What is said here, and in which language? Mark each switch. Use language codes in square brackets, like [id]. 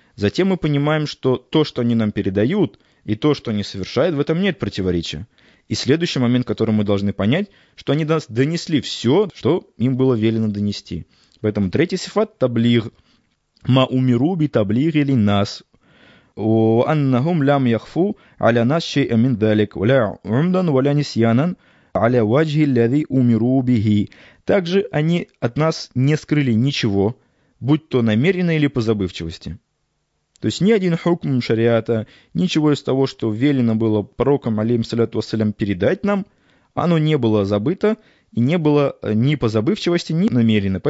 [ru] Затем мы понимаем, что то, что они нам передают, и то, что они совершают, в этом нет противоречия. И следующий момент, который мы должны понять, что они донесли все, что им было велено донести. Поэтому третий сифат – таблиг. [ar] «Ма умиру би таблиг или нас». وأنهم لم يخفوا على ناس شيئا من ذلك ولا عمدا ولا نسيانا على وجه الذي أمروا به. [ru] Также они от нас не скрыли ничего, будь то намеренно или по забывчивости. То есть ни один хукм шариата, ничего из того, что велено было пророком, алейхи салату вассалям, передать нам, оно не было забыто и не было ни по забывчивости, ни намеренно.